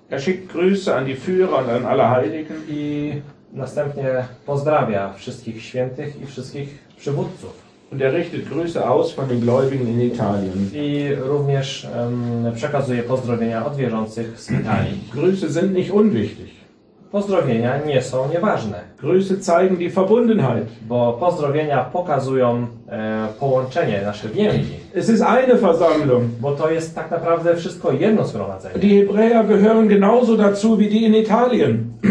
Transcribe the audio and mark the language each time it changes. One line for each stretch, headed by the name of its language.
German: Er schickt Grüße an die Führer und an alle Heiligen.
Polish: I następnie pozdrawia wszystkich świętych i wszystkich przywódców.
German: Und er richtet Grüße aus von den Gläubigen in Italien.
Polish: I również przekazuje pozdrowienia od wierzących z Italii.
German: Grüße sind nicht unwichtig.
Polish: Pozdrowienia nie są nieważne.
German: Grüße zeigen die Verbundenheit.
Polish: Bo pozdrowienia pokazują połączenie, nasze więzi.
German: Es ist eine Versammlung.
Polish: Bo to jest tak naprawdę wszystko jedno zgromadzenie.
German: Die Hebräer gehören genauso dazu wie die in Italien.